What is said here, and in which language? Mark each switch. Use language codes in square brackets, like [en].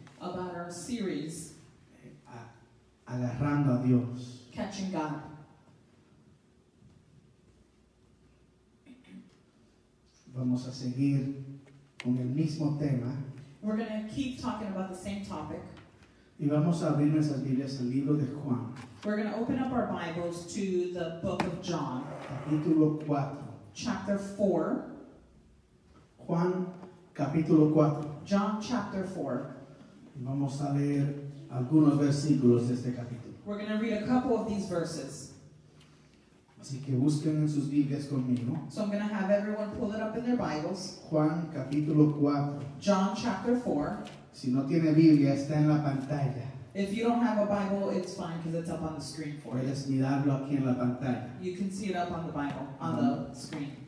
[en] About our series. [es] Agarrando a Dios. [en] Catching God. [es] Vamos a seguir con el mismo tema. [en] We're going to keep talking about the same topic. [es] Y vamos a abrir nuestras Biblias al libro de Juan. [en] We're going to open up our Bibles to the book of John. [es] Capítulo 4. [en] Chapter 4. [es] Juan, capítulo 4. [en] John, chapter 4. [es] Y vamos a leer algunos versículos de este capítulo. [en] We're going to read a couple of these verses. [es] Así que busquen en sus Biblias conmigo. [en] So I'm going to have everyone pull it up in their Bibles. [es] Juan, capítulo 4. [en] John, chapter 4. [es] Si no tiene Biblia, está en la pantalla. [en] If you don't have a Bible, it's fine because it's up on the screen for [es] Puedes [en] you. [es] Puedes mirarlo aquí en la pantalla. [en] You can see it up on the Bible, on the screen.